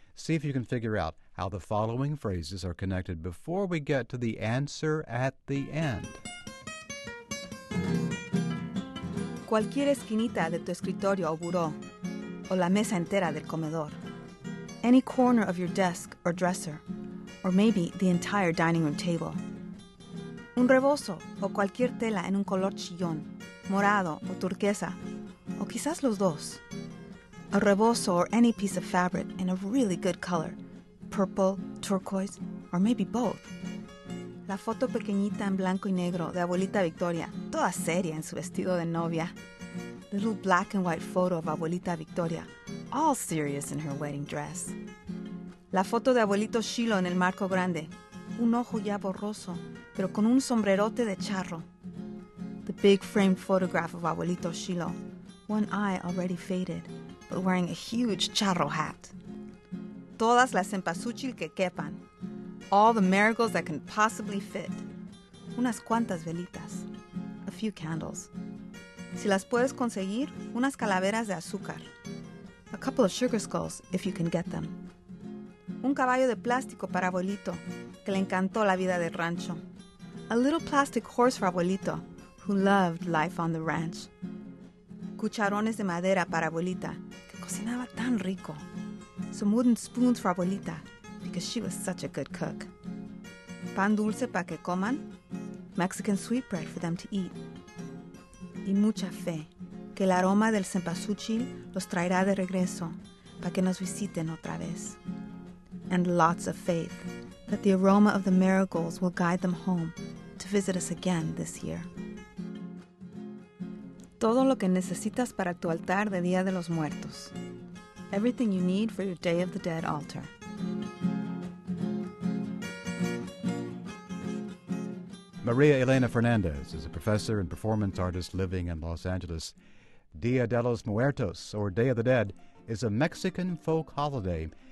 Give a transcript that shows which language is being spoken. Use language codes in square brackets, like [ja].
[en] See if you can figure out how the following phrases are connected before we get to the answer at the end. [es] Cualquier esquinita de tu escritorio o bureau, o la mesa entera del comedor. [en] Any corner of your desk or dresser, or maybe the entire dining room table. [es] Un rebozo o cualquier tela en un color chillón, morado o turquesa, o quizás los dos. [en] A rebozo or any piece of fabric in a really good color, purple, turquoise, or maybe both. [es] La foto pequeñita en blanco y negro de abuelita Victoria, toda seria en su vestido de novia. [en] The little black and white photo of abuelita Victoria, all serious in her wedding dress. [es] La foto de abuelito Shiloh en el marco grande, un ojo ya borroso, pero con un sombrerote de charro. [en] The big framed photograph of abuelito Shiloh, one eye already faded, but wearing a huge charro hat. Todas las cempasúchil que quepan. All the marigolds that can possibly fit. [es] Unas cuantas velitas. A few candles. Si las puedes conseguir, unas calaveras de azúcar. [en] A couple of sugar skulls, if you can get them. [es] Un caballo de plástico para abuelito, que le encantó la vida del rancho. [en] A little plastic horse for abuelito, who loved life on the ranch. [es] Cucharones de madera para abuelita, que cocinaba tan rico. [en] Some wooden spoons for abuelita, because she was such a good cook. Pan dulce para que coman. Mexican sweetbread for them to eat. [es] Y mucha fe, que el aroma del cempasúchil los traerá de regreso, para que nos visiten otra vez. [en] And lots of faith, that the aroma of the marigolds will guide them home to visit us again this year. [es] Todo lo que necesitas para tu altar de Día de los Muertos. [en] Everything you need for your Day of the Dead altar. Maria Elena Fernandez is a professor and performance artist living in Los Angeles. Día de los Muertos, or Day of the Dead, is a Mexican folk holiday.